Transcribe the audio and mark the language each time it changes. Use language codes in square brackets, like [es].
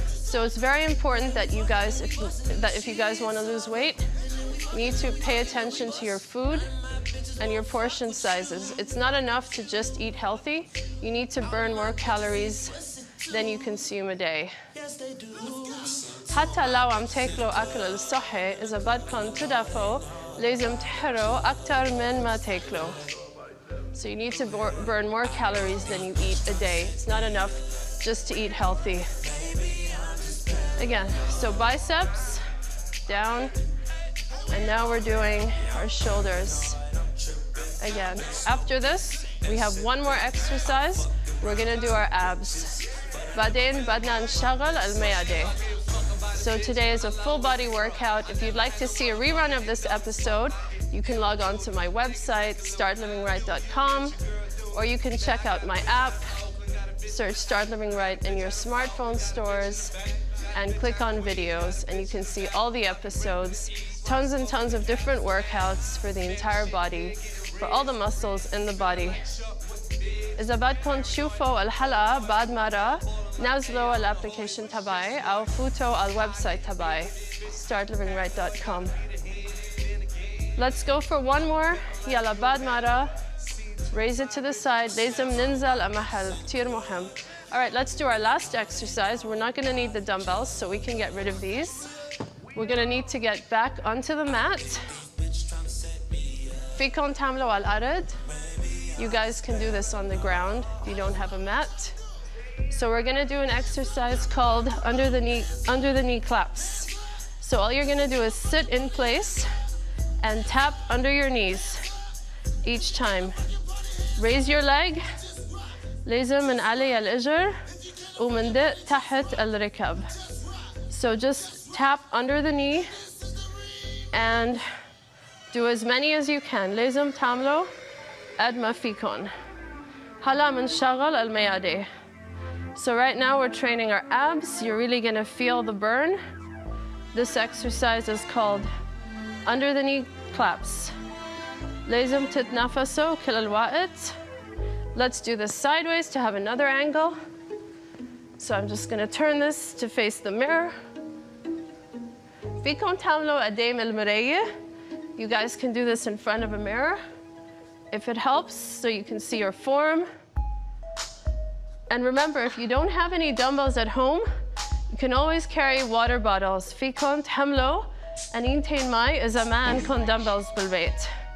[en] So it's very important that you guys, if you guys want to lose weight, need to pay attention to your food and your portion sizes. It's not enough to just eat healthy. You need to burn more calories than you consume a day. [ar] حتى لو عم تاكلوا أكل صحي إذا بدكم تدافعوا لازم تحرقوا أكثر من ما تاكلوا. [en] So you need to burn more calories than you eat a day. It's not enough just to eat healthy. Again, so biceps, down, and now we're doing our shoulders. Again, after this, we have one more exercise. We're gonna do our abs. [ar] بعدين بدنا نشغل المعدة. [en] So today is a full body workout. If you'd like to see a rerun of this episode, you can log on to my website, startlivingright.com, or you can check out my app, search Start Living Right in your smartphone stores and click on videos, and you can see all the episodes, tons and tons of different workouts for the entire body, for all the muscles in the body. [ar] إذا بدكم تشوفوا الحلقة بعد مرة نزلوا الابليكيشن تبعي أو فوتوا على الويب سايت تبعي startlivingright.com. [en] Let's go for one more. [ar] يلا بعد مرة [en] raise it to the side. [ar] لازم ننزل المحل كتير مهم. [en] Alright, let's do our last exercise. We're not going to need the dumbbells, so we can get rid of these. We're going to need to get back onto the mat. [ar] فيكم تعملوا على الأرض. [en] You guys can do this on the ground if you don't have a mat. So we're gonna do an exercise called under the knee claps. So all you're gonna do is sit in place and tap under your knees each time. Raise your leg. [ar] لازم نعلي الإجر ومندق تحت الركب. [en] So just tap under the knee and do as many as you can. [ar] لازم تعملو قد ما فيكن. هلا منشغل الميادي. [en] So right now we're training our abs. You're really gonna feel the burn. This exercise is called under the knee claps. [ar] لازم تتنفسوا كل الوقت. [en] Let's do this sideways to have another angle. So I'm just gonna turn this to face the mirror. [ar] فيكن تعملوا قدام المراية. [en] You guys can do this in front of a mirror if it helps, so you can see your form. And remember, if you don't have any dumbbells at home, you can always carry water bottles. [ar] فيكن تحملوا أنينتين ماي إذا ما عندكن dumbbells بالبيت.